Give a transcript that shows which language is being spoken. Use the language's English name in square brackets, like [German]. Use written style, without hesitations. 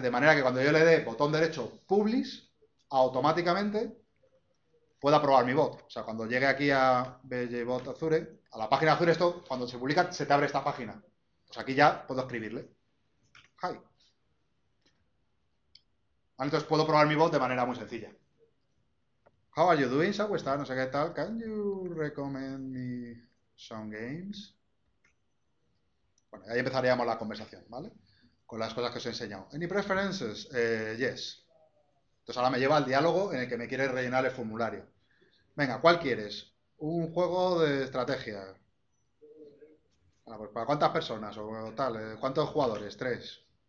[Spanish] De manera que cuando yo le dé botón derecho publish, automáticamente pueda probar mi bot. O sea, cuando llegue aquí a BelleBot Azure, a la página Azure, esto, cuando se publica, se te abre esta página. Pues aquí ya puedo escribirle. Hi. ¿Vale? Entonces puedo probar mi bot de manera muy sencilla. [English] How are you doing, Sawestar? [Spanish] No sé qué tal. [English] Can you recommend me some games? [Spanish] Bueno, ahí empezaríamos la conversación, ¿vale? Con las cosas que os he enseñado. [English] Any preferences? Yes. [Spanish] Entonces ahora me lleva al diálogo en el que me quiere rellenar el formulario. Venga, ¿cuál quieres? Un juego de estrategia. Bueno, pues, ¿para cuántas personas o tal? ¿Cuántos jugadores? Tres.